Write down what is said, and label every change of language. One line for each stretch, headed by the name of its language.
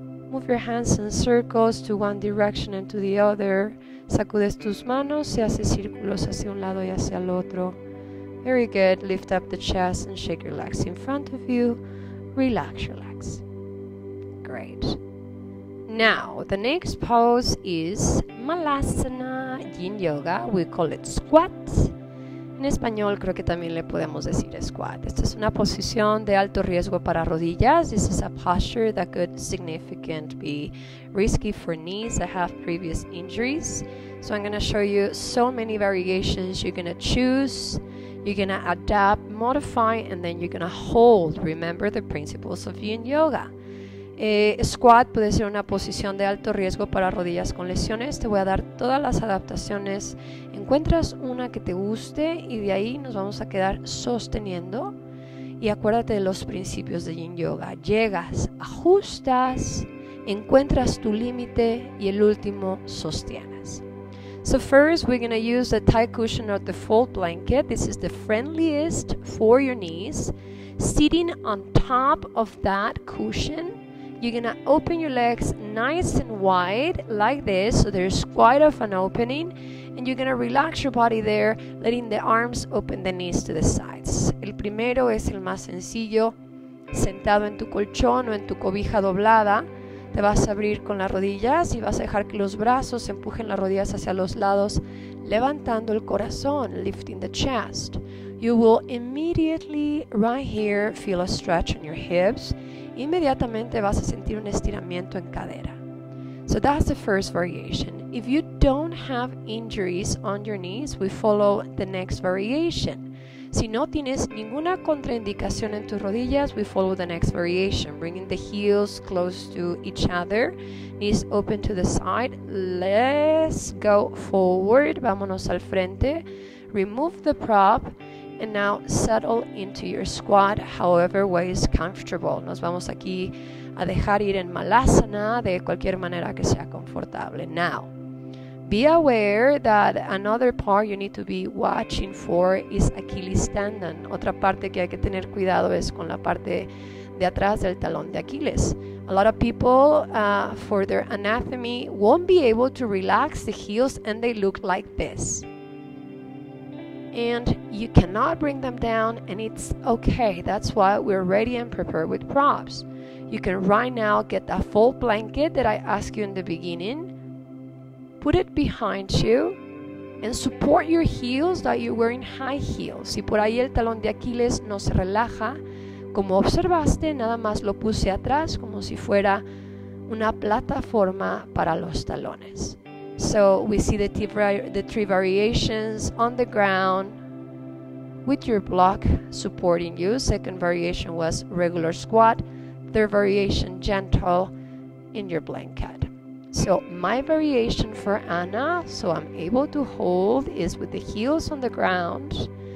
English: Move your hands in circles to one direction and to the other.
Spanish: Sacudes tus manos y haces círculos hacia un lado y hacia el otro.
English: Very good. Lift up the chest and shake your legs in front of you. Relax your legs. Great. Now, the next pose is Malasana Yin Yoga. We call it squat.
Spanish: En español creo que también le podemos decir squat. Esta es una posición de alto riesgo para rodillas.
English: This is a posture that could significantly be risky for knees that have previous injuries. So I'm going to show you so many variations. You're going to choose, you're going to adapt, modify, and then you're going to hold. Remember the principles of Yin Yoga.
Spanish: Squat puede ser una posición de alto riesgo para rodillas con lesiones. Te voy a dar todas las adaptaciones. Encuentras una que te guste y de ahí nos vamos a quedar sosteniendo. Y acuérdate de los principios de Yin Yoga. Llegas, ajustas, encuentras tu límite y el último sostienes.
English: So first we're going to use the Thai cushion or the fold blanket. This is the friendliest for your knees. Sitting on top of that cushion, you're going to open your legs nice and wide like this, so there's quite of an opening, and you're going to relax your body there, letting the arms open the knees to the sides.
Spanish: El primero es el más sencillo. Sentado en tu colchón o en tu cobija doblada, te vas a abrir con las rodillas y vas a dejar que los brazos empujen las rodillas hacia los lados, levantando el corazón,
English: lifting the chest. You will immediately, right here, feel a stretch in your hips.
Spanish: Inmediatamente vas a sentir un estiramiento en cadera.
English: So that's the first variation. If you don't have injuries on your knees, we follow the next variation.
Spanish: Si no tienes ninguna contraindicación en tus rodillas,
English: we follow the next variation. Bringing the heels close to each other, knees open to the side. Let's go forward.
Spanish: Vámonos al frente.
English: Remove the prop. And now settle into your squat however way is comfortable.
Spanish: Nos vamos aquí a dejar ir en Malasana de cualquier manera que sea confortable.
English: Now, be aware that another part you need to be watching for is Achilles tendon.
Spanish: Otra parte que hay que tener cuidado es con la parte de atrás del talón de Aquiles.
English: A lot of people, for their anatomy, won't be able to relax the heels and they look like this. And you cannot bring them down, and it's okay. That's why we're ready and prepared with props. You can right now get that full blanket that I asked you in the beginning. Put it behind you and support your heels that you're wearing high heels.
Spanish: Si por ahí el talón de Aquiles no se relaja, como observaste, nada más lo puse atrás como si fuera una plataforma para los talones.
English: So we see the three variations on the ground with your block supporting you. Second variation was regular squat. Third variation, gentle in your blanket. So my variation for Anna, so I'm able to hold, is with the heels on the ground.